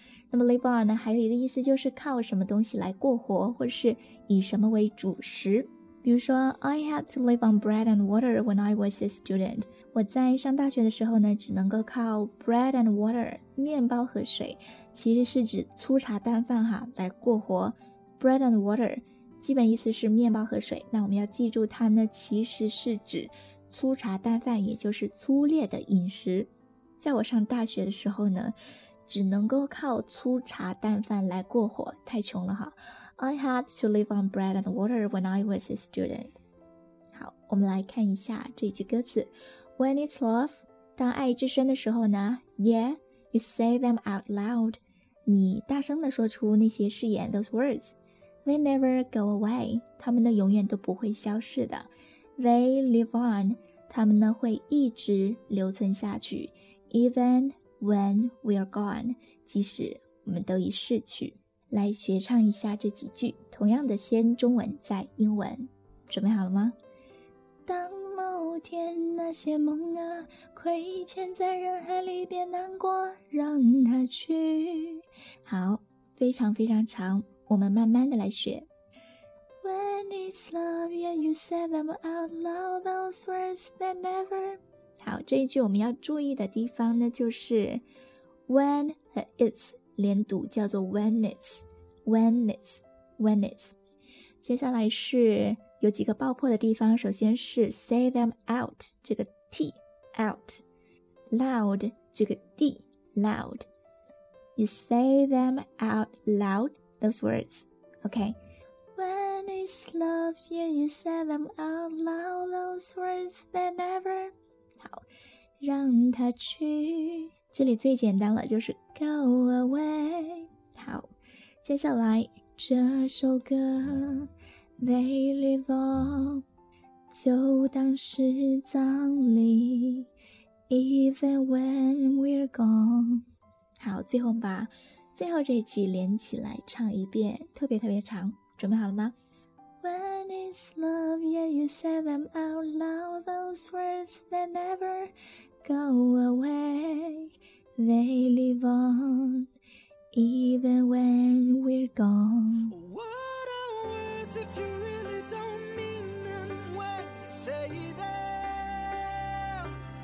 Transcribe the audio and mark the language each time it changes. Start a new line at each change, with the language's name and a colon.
Chinese: 那么 live on 呢还有一个意思就是靠什么东西来过活或者是以什么为主食比如说
English: I had to live on bread and water when I was a student
Chinese: 我在上大学的时候呢只能够靠 bread and water 面包和水其实是指粗茶淡饭哈来过活 bread and water 基本意思是面包和水，那我们要记住它呢其实是指粗茶淡饭，也就是粗劣的饮食。在我上大学的时候呢，只能够靠粗茶淡饭来过活，太穷了哈。
English: I had to live on bread and water when I was a student.
Chinese: 好，我们来看一下这句歌词。
English: When it's love,
Chinese: 当爱之深的时候呢，
English: Yeah, you say them out loud.
Chinese: 你大声地说出那些誓言，
English: those words. They never go away.
Chinese: 他们呢永远都不会消失的。
English: They live on.
Chinese: 他们呢会一直留存下去。
English: EvenWhen we are gone,
Chinese: 即使我们都已逝去。来学唱一下这几句，同样的先中文再英文，准备好了吗？当某天那些梦啊亏欠在人海里，别难过，让它去。好，非常非常长，我们慢慢的来学。
English: When it's love, yeah, you say them out loud, those words that never...
Chinese: 好，这一句我们要注意的地方呢，就是 when 和 it's 连读，叫做 when it's, when it's, when it's。接下来是有几个爆破的地方，首先是 say them out 这个 t out, loud 这个 d loud,
English: you say them out loud those words,
Chinese: OK.
English: When it's love, yeah, you say them out loud those words that never.
Chinese: 好，让他去，这里最简单了，就是 go away。好，接下来这首歌
English: they live on
Chinese: 就当是葬礼
English: even when we're gone。
Chinese: 好，最后把最后这句连起来唱一遍，特别特别长，准备好了吗？
English: When it's love, yeah, you say them out loud, those words that never go away. They live on, even when we're gone. What are words if you really don't mean them when you say them?